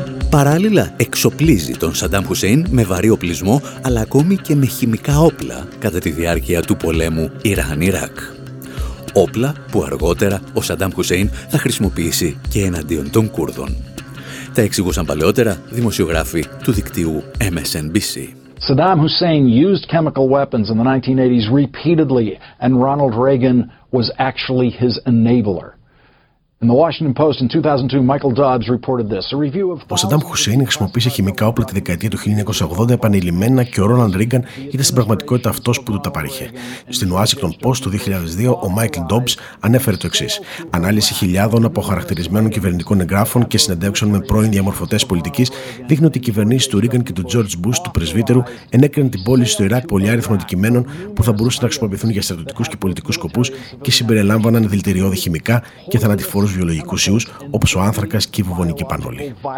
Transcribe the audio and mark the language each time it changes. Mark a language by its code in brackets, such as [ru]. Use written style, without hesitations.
[el] Παράλληλα, εξοπλίζει τον Σαντάμ Χουσέιν με βαρύ οπλισμό, αλλά ακόμη και με χημικά όπλα κατά τη διάρκεια του πολέμου Ιράν-Ιράκ. Όπλα που αργότερα ο Σαντάμ Χουσέιν θα χρησιμοποιήσει και εναντίον των Κούρδων. Τα εξηγούσαν παλαιότερα δημοσιογράφοι του δικτύου MSNBC. [en] Saddam Hussein used chemical weapons in the 1980s repeatedly, and Ronald Reagan was actually his enabler. [el] Ο Σαντάμ Χουσέιν χρησιμοποίησε χημικά όπλα τη δεκαετία του 1980 επανειλημμένα και ο Ρόναλντ Ρίγκαν ήταν στην πραγματικότητα αυτός που του τα παρήχε. Στην Washington Post του 2002, ο Μάικλ Ντόμπς ανέφερε το εξής: ανάλυση χιλιάδων αποχαρακτηρισμένων κυβερνητικών εγγράφων και συνεντεύξεων με πρώην διαμορφωτές πολιτικής δείχνει ότι οι κυβερνήσεις του Ρίγκαν και του Τζορτζ Μπους, του πρεσβύτερου, ενέκριναν την πώληση στο Ιράκ πολυάριθμων αντικειμένων που θα μπορούσαν να χρησιμοποιηθούν για στρατιωτικούς και πολιτικούς σκοπούς και συμπεριλάμβαναν δηλητηριώδη χημικά και θανατηφόρους βιολογικούς ιούς, όπως ο άνθρακας και η βουβονική πανδολή.